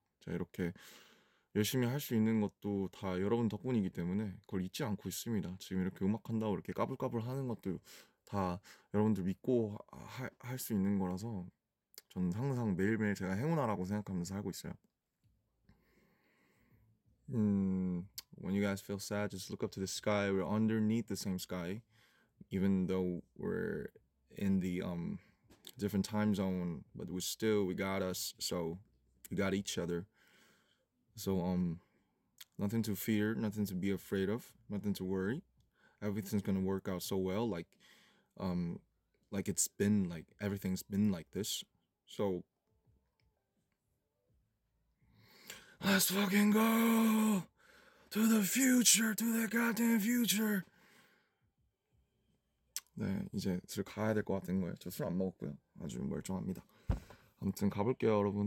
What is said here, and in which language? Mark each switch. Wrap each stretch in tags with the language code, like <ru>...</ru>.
<ko>제가 이렇게 열심히 할수 있는 것도 다 여러분 덕분이기 때문에 그걸 잊지 않고 있습니다. 지금 이렇게 음악한다고 이렇게 까불까불 하는 것도 다 여러분들 믿고 할수 있는 거라서 저는 항상 매일매일 제가 행운아라고 생각하면서 살고 있어요.</ko> <en>When you guys feel sad, just look up to the sky. We're underneath the same sky, even though we're in the different time zone, but we still we got us, so we got each other. So nothing to fear, nothing to be afraid of, nothing to worry. Everything's gonna work out so well, like it's been like everything's been like this. So let's fucking go to the future, to the goddamn future.</en> <ko>네, 이제 슬 가야 될것 같은 거예요. 저술안 먹었고요. 아주 멀쩡합니다. 아무튼 가볼게요, 여러분.</ko>